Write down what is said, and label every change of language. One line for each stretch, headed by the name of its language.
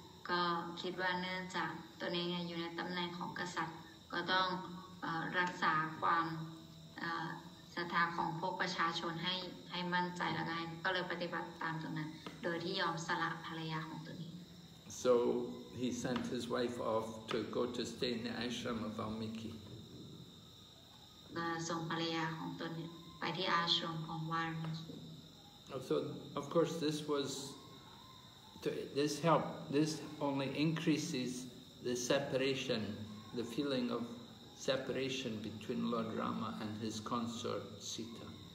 Thai: ก็คิดว่าเนื่องจากตัวเองอยู่ในตำแหน่งของกษัตริย์ก็ต้องรักษาความศรัทธาของพวกประชาชนให้มั่นใจแล้วไงก็เลยปฏิบัติตามตรงนั้นโดยที่ยอมสละภรรยาของตัวเอง
English: So he sent his wife off to go to stay in the ashram of Valmiki
Thai: ส่งภรรยาของตัวเองไปที่อาชรมของวาลมิกิ
English: So of course this was to, this help this only increases the separation the feeling ofseparation between Lord Rama and his consort Sita.